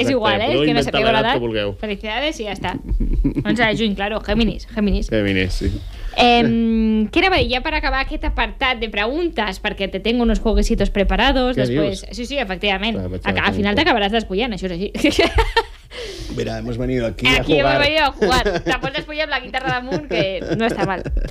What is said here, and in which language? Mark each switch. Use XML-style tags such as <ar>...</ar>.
<ca>és igual, que no sapigueu l'edat. Que felicidades i ja està. 11 de juny, claro, Géminis, sí. Què era dir, ja per acabar aquest apartat de preguntes, perquè</ca> <es>te tengo unos jueguecitos preparados. ¿Qué después...</es> <ca>dius? Sí, efectivament. Al final t'acabaràs despullant, això és així.</ca> <es>Mira, hemos venido aquí a jugar. Aquí hemos venido a jugar.</es> <ca>Te pots despullar amb la guitarra damunt, que no està mal.</ca>